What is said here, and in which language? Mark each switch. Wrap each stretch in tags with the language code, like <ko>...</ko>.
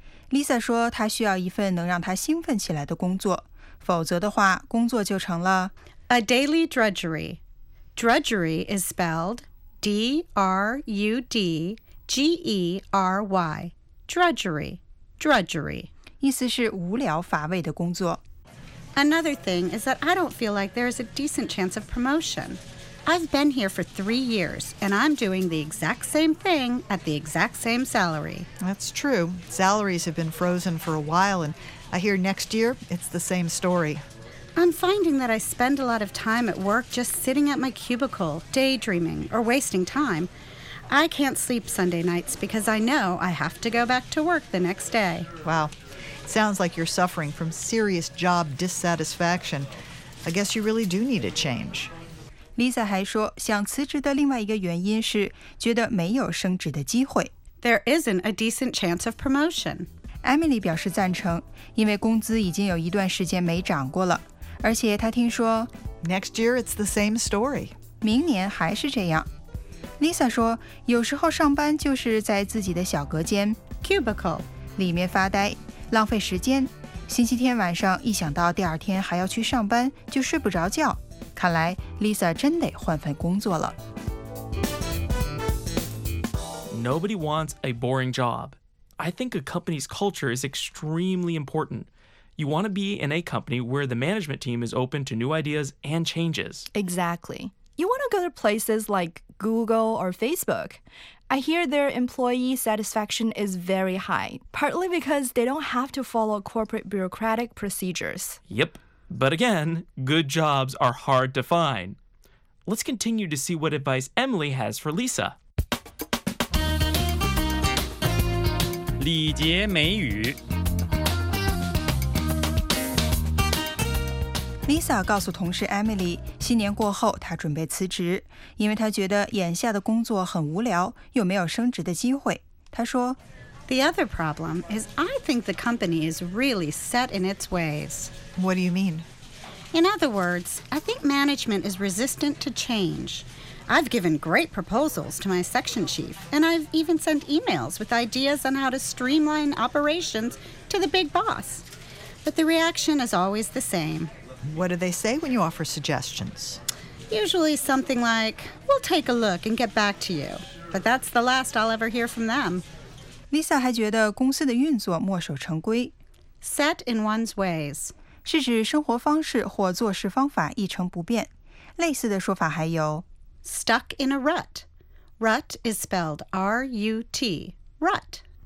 <zh>Lisa 说她需要一份能让她兴奋起来的工作，否则的话，工作就成了</zh> <en>A daily drudgery. Drudgery is spelled D-R-U-D-G-E-R-Y. Drudgery. Drudgery.</en> <zh>意思是无聊乏味的工作。</zh> <en>Another thing is that I don't feel like there is a decent chance of promotion. I've been here for 3 years, and I'm doing the exact same thing at the exact same salary. That's true. Salaries have been frozen for a while, and I hear next year it's the same story. I'm finding that I spend a lot of time at work just sitting at my cubicle, daydreaming, or wasting time. I can't sleep Sunday nights because I know I have to go back to work the next day. Wow. Sounds like you're suffering from serious job dissatisfaction. I guess you really do need a change.</en> <zh>Lisa 还说想辞职的另外一个原因是觉得没有升职的机会。</zh> <en>There isn't a decent chance of promotion.</en> <zh>Emily 表示赞成，因为工资已经有一段时间没涨过了，而且她听说</zh> <en>Next year it's the same story.</en> <zh>明年还是这样。 Lisa 说，有时候上班就是在自己的小隔间</zh> <en>cubicle</en> <zh>里面发呆，浪费时间。星期天晚上一想到第二天还要去上班，就睡不着觉。看来 Lisa 真得换份工作了。</zh> <en>Nobody wants a boring job. I think a company's culture is extremely important. You want to be in a company where the management team is open to new ideas and changes. Exactly. You want to go to places like Google or Facebook. I hear their employee satisfaction is very high, partly because they don't have to follow corporate bureaucratic procedures. Yep. But again, good jobs are hard to find. Let's continue to see what advice Emily has for Lisa.</en> <zh>礼节美语 Lisa 告诉同事 Emily, 新年过后她准备辞职，因为她觉得眼下的工作很无聊，又没有升职的机会。她说</zh> <en>The other problem is I think the company is really set in its ways. What do you mean? In other words, I think management is resistant to change. I've given great proposals to my section chief, and I've even sent emails with ideas on how to streamline operations to the big boss. But the reaction is always the same. What do they say when you offer suggestions? Usually something like, we'll take a look and get back to you. But that's the last I'll ever hear from them.</en> <zh>Lisa 还觉得公司的运作墨守成规。</zh> <en>Set in one's ways.</en> <zh>是指生活方式或做事方法一成不变。类似的说法还有</zh> <en>Stuck in a rut. Rut is spelled R-U-T. Rut.</en>